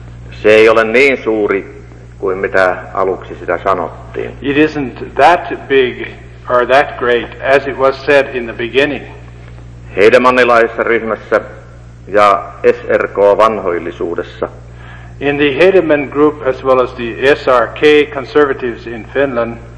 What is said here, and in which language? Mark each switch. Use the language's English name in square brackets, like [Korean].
[Finnish] Se ei ole niin suuri kuin mitä aluksi sitä sanottiin. [English] It isn't that big or that great as it was said in the beginning. [Finnish] Hedemannilaisessa ryhmässä ja SRK vanhoillisuudessa. [English] In the Hedeman group as well as the SRK conservatives in Finland